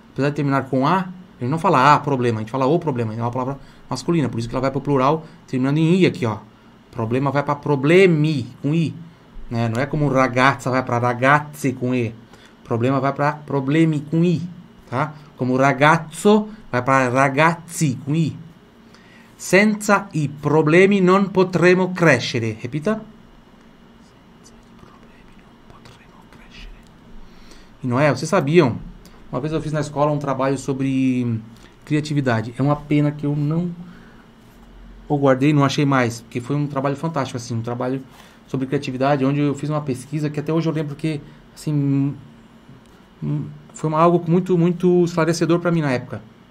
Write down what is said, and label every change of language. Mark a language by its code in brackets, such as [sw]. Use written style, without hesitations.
[pt] Apesar de terminar com A, a gente não fala A problema, a gente fala o problema, é uma palavra masculina, por isso que ela vai para o plural terminando em I aqui, ó. Problema vai para problemi com I, né? Não é como ragazza vai para ragazze com E. Problema vai para problemi com I, tá? Como ragazzo vai para ragazzi com I. [it] Senza i problemi non potremo crescere. [pt] Repita. [it] Senza i problemi non potremo crescere. [pt] E Noel, vocês sabiam? Uma vez eu fiz na escola um trabalho sobre criatividade. É uma pena que eu não o guardei, não achei mais. Porque foi um trabalho fantástico, assim. Um trabalho sobre criatividade, onde eu fiz uma pesquisa que até hoje eu lembro que, assim, foi algo muito, muito esclarecedor para mim na época.